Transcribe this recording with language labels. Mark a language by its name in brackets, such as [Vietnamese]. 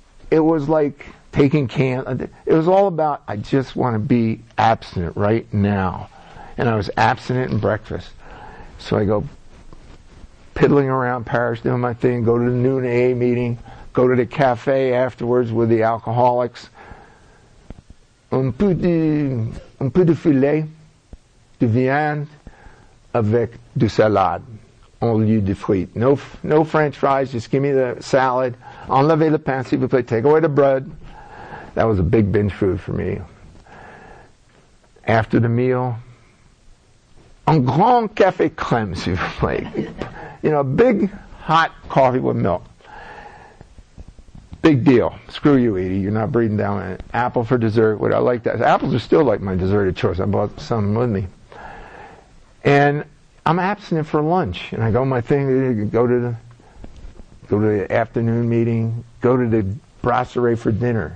[English] it was like taking can. It was all about, I just want to be abstinent right now. And I was abstinent in breakfast. So I go piddling around Paris, doing my thing, go to the noon AA meeting, go to the cafe afterwards with the alcoholics. [French] Un peu de filet, de viande, avec du salade. Au lieu de frites. [English] No french fries, just give me the salad. [French] Enlevez le pain, s'il vous plaît. [English] Take away the bread. That was a big binge food for me. After the meal, [French] un grand café crème, s'il vous plaît. [English] You know, big hot coffee with milk. Big deal. Screw you, Edie. You're not breathing down it. Apple for dessert. What I like that. Apples are still like my dessert of choice. I bought some with me. And I'm abstinent for lunch, and I go my thing, go to the afternoon meeting, go to the brasserie for dinner.